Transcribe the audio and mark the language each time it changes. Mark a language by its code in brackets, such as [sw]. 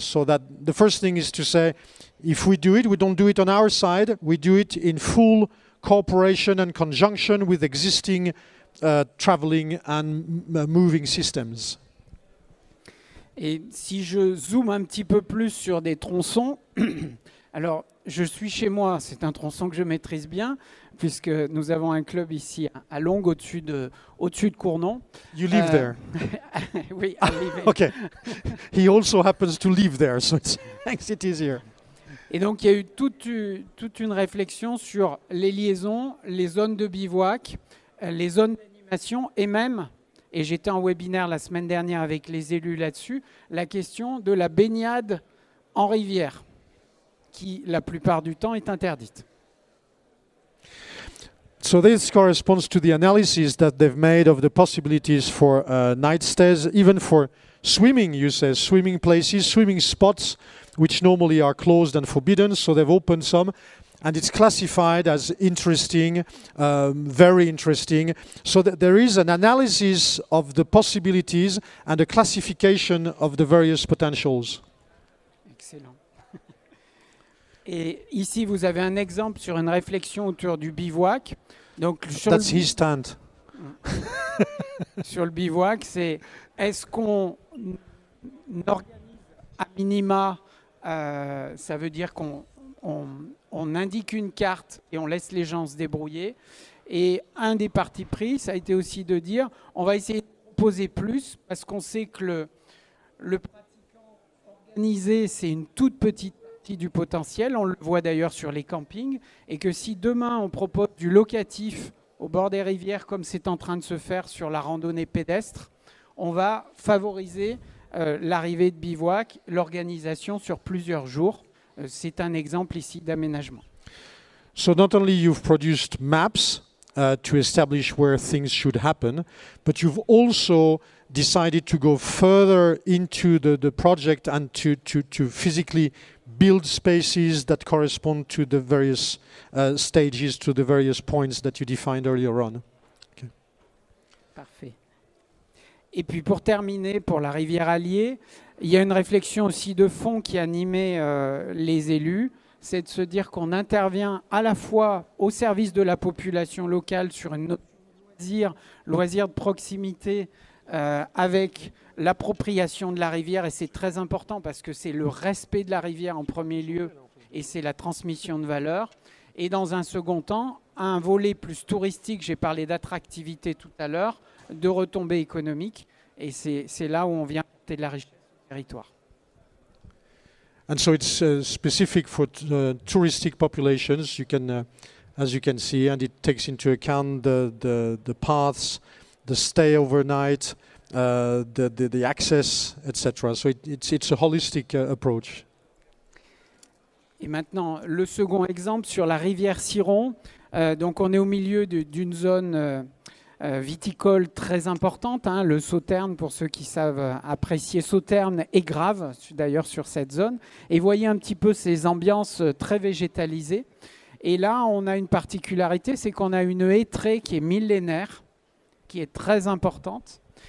[en] So that the first thing is to say, if we do it, we don't do it on our side, we do it in full cooperation and conjunction with existing traveling and moving systems. [fr] Et si je zoome un petit peu plus sur des tronçons, alors je suis chez moi, c'est un tronçon que je maîtrise bien, puisque nous avons un club ici à Longue, au-dessus de Cournon. [en] You live there. Oui, I live there. Okay. He also happens to live there, so it makes it easier. [fr] Et donc il y a eu toute une réflexion sur les liaisons, les zones de bivouac, les zones d'animation et même, et j'étais en webinaire la semaine dernière avec les élus là-dessus, la question de la baignade en rivière, qui la plupart du temps est interdite. [en] So this corresponds to the analysis that they've made of the possibilities for night stays, even for swimming, you say, swimming places, swimming spots, which normally are closed and forbidden, so they've opened some, and it's classified as interesting, very interesting. So that there is an analysis of the possibilities and a classification of the various potentials. Excellent. [fr] Et ici, vous avez un exemple sur une réflexion autour du bivouac. [en] Donc, that's his tent. [fr] Sur le bivouac, c'est est-ce qu'on organise à minima, ça veut dire qu'on indique une carte et on laisse les gens se débrouiller. Et un des partis pris, ça a été aussi de dire on va essayer de proposer plus parce qu'on sait que le pratiquant organisé, c'est une toute petite du potentiel, on le voit d'ailleurs sur les campings, et que si demain on propose du locatif au bord des rivières comme c'est en train de se faire sur la randonnée pédestre, on va favoriser l'arrivée de bivouac, l'organisation sur plusieurs jours. C'est un exemple ici d'aménagement. [en] So not only you've produced maps to establish where things should happen, but you've also decided to go further into the project and to physically build spaces that correspond to the various stages, to the various points that you defined earlier on. Okay. [fr] Parfait. Et puis pour terminer, pour la rivière Allier, Il y a une réflexion aussi de fond qui animait les élus, c'est de se dire qu'on intervient à la fois au service de la population locale sur une loisir de proximité avec l'appropriation de la rivière. Et c'est très important parce que c'est le respect de la rivière en premier lieu et c'est la transmission de valeurs. Et dans un second temps, un volet plus touristique, j'ai parlé d'attractivité tout à l'heure, de retombées économiques. Et c'est là où on vient apporter de la richesse. [en] And so it's specific for touristic populations. You can, as you can see, and it takes into account the paths, the stay overnight, the access, etc. So it's a holistic approach. [fr] Et maintenant, le second exemple sur la rivière Ciron. Donc, on est au milieu d'une zone viticole très importante, hein, le Sauternes, pour ceux qui savent apprécier Sauternes, est grave d'ailleurs sur cette zone. Et voyez un petit peu ces ambiances très végétalisées. Et là, on a une particularité, c'est qu'on a une hêtraie qui est millénaire, qui est très importante.